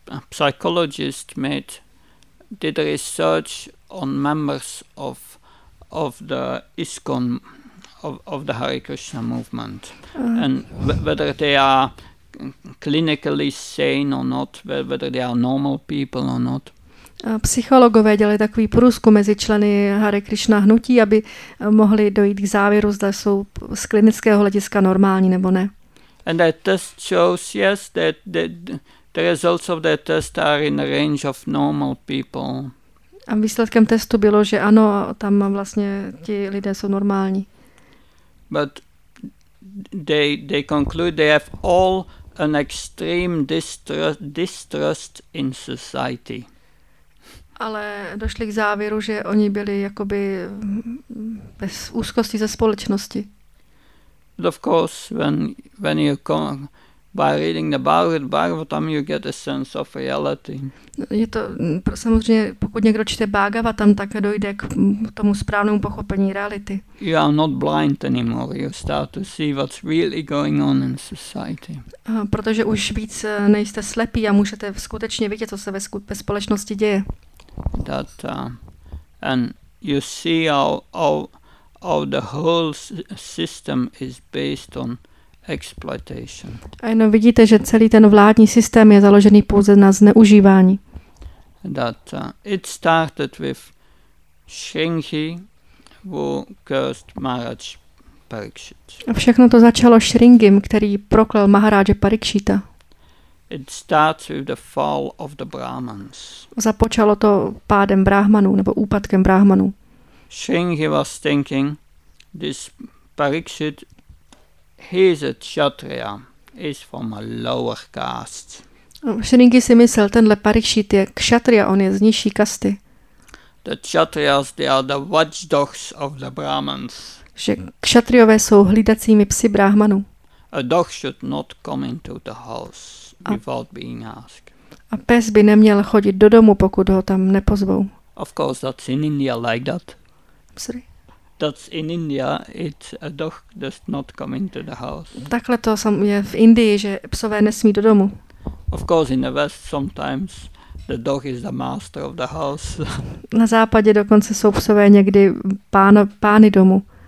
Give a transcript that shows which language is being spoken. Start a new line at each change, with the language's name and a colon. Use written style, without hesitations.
English: Psychologist did research on members of the ISKCON of the Hare Krishna movement and whether they are clinically sane or not, whether they are normal people or not.
Czech: Psychologové dělali takový průzkum mezi členy Hare Krishna hnutí, aby mohli dojít k závěru, zda jsou z klinického hlediska normální nebo ne.
English: And that test shows, yes, that the results of that test are in the range of normal people.
Czech: A výsledkem testu bylo, že ano, tam vlastně ti lidé jsou normální.
English: But they conclude they have all an extreme distrust in society.
Czech: Ale došli k závěru, že oni byli jakoby bez úzkosti ze společnosti.
English: But of course, when you come by reading the Bhagavatam, you get a sense of reality.
Czech: Je to samozřejmě, pokud někdo čte Bhagavatam, tak dojde k tomu správnému pochopení reality.
English: You are not blind anymore. You start to see what's really going on in society.
Czech: Protože už víc nejste slepí a můžete skutečně vidět, co se ve společnosti děje.
English: That and you see how the whole system is based on exploitation.
Czech: A jenom vidíte, že celý ten vládní systém je založený pouze na zneužívání.
English: That it started with Shringhi, who cursed Maharaj Parikshit.
Czech: A všechno to začalo Shringhim, který proklel Maharaje Parikshita.
English: It starts with the fall of the Brahmans.
Czech: Započalo to pádem Brahmanů nebo úpadkem Brahmanů.
English: Shringhi was thinking, this Parikshit, he is a Kshatriya, he's from a lower caste.
Czech: Shringhi si myslel, tenhle Parikshit je Kshatriya, on je z nižší kasty.
English: The Kshatriyas, they are the watchdogs of the Brahmans.
Czech: Že Kshatriyové jsou hlídacími psi Brahmanů.
English: A dog should not come into the house without being asked.
Czech: A pes by neměl chodit do domu, pokud ho tam nepozvou.
English: Of course, that's in India like that. Sorry. That's in India, it's a dog does not come into the house.
Czech: Takhle to je v Indii, že psové nesmí do domu.
English: Of course, in the West sometimes the dog is the master of the house.
Czech: Na západě dokonce jsou psové někdy pány domu.